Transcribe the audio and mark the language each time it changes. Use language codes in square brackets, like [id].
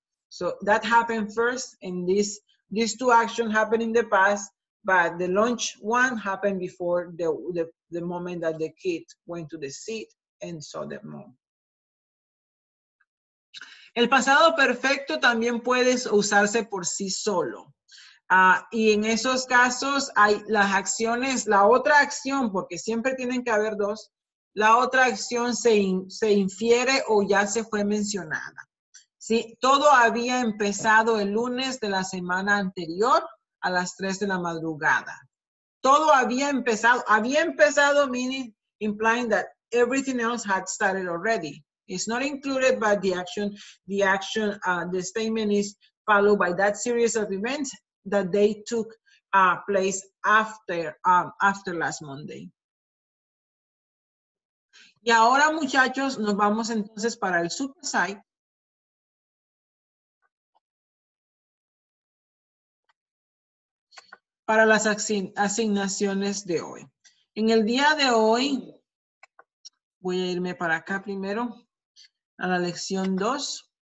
[en] So that happened first, and these two actions happened in the past, but the lunch one happened before the moment that the kid went to the seat and saw the mom. [es] El pasado perfecto también puede usarse por sí solo. Y en esos casos hay las acciones, la otra acción, porque siempre tienen que haber dos, la otra acción se infiere o ya se fue mencionada. ¿Sí? Todo había empezado el lunes de la semana anterior a las 3 de la madrugada. Todo había empezado, [en] meaning, implying that everything else had started already. It's not included, but the statement is followed by that series of events that they took place after last Monday. [es] Y ahora, muchachos, nos vamos entonces para el super site. Para las asignaciones de hoy. En el día de hoy, voy a irme para acá primero, a la lección 2.